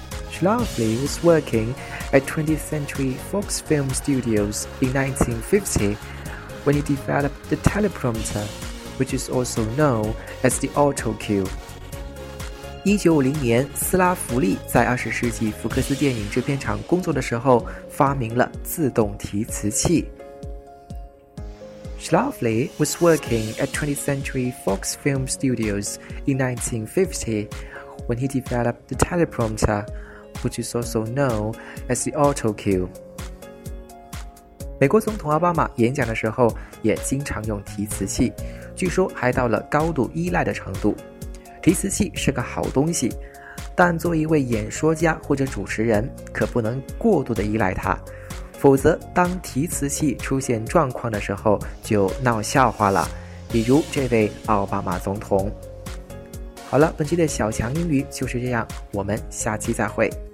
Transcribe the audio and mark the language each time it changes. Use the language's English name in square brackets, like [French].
[English] Schlafly was working at 20th Century Fox Film Studios in 1950 when he developed the teleprompter, which is also known as the auto cue。 [Chinese] 1950年，斯拉弗利在20世纪福克斯电影制片厂工作的时候，发明了自动提词器。 [English] Schlafly was working at 20th Century Fox Film Studios in 1950 when he developed the teleprompter, which is also known as the auto cue。 [Chinese] 美国总统奥巴马演讲的时候也经常用提词器，据说还到了高度依赖的程度。提词器是个好东西，但作为一位演说家或者主持人，可不能过度的依赖它，否则当提词器出现状况的时候就闹笑话了，比如这位奥巴马总统。好了，本期的小强英语就是这样，我们下期再会。